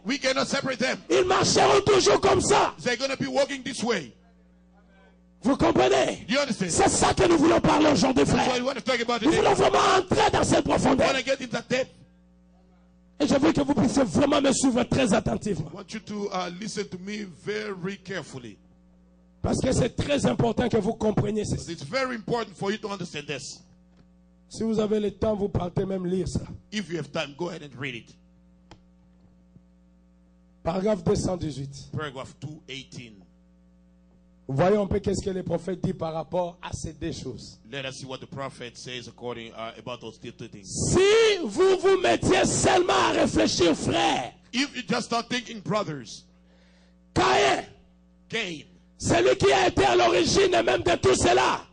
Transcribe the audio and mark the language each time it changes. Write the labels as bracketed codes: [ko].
[en] We cannot separate them. [fr] Ils marcheront toujours comme ça. [en] They're going to be walking this way. [fr] Vous comprenez? [en] You understand? [fr] C'est ça que nous voulons parler aujourd'hui, frère. [en] That's what we want to talk about today. [fr] Nous voulons vraiment entrer dans cette profondeur. [en] We want to get into that depth. [fr] Et je veux que vous puissiez vraiment me suivre très attentivement. [en] I want you to, listen to me very carefully. [fr] Parce que c'est très important que vous compreniez ceci. [en] It's very important for you to understand this. [fr] Si vous avez le temps, vous partez même lire ça. [en] If you have time, go ahead and read it. [fr] Paragraphe 218. [en] Paragraph 218. [fr] Voyons un peu qu'est-ce que le prophète dit par rapport à ces deux choses. [en] Let us see what the prophet says according about those two things. [fr] Si vous vous mettiez seulement à réfléchir, frère. [en] If you just start thinking, brothers. Cain. [fr] Celui qui a été à l'origine même de tout cela.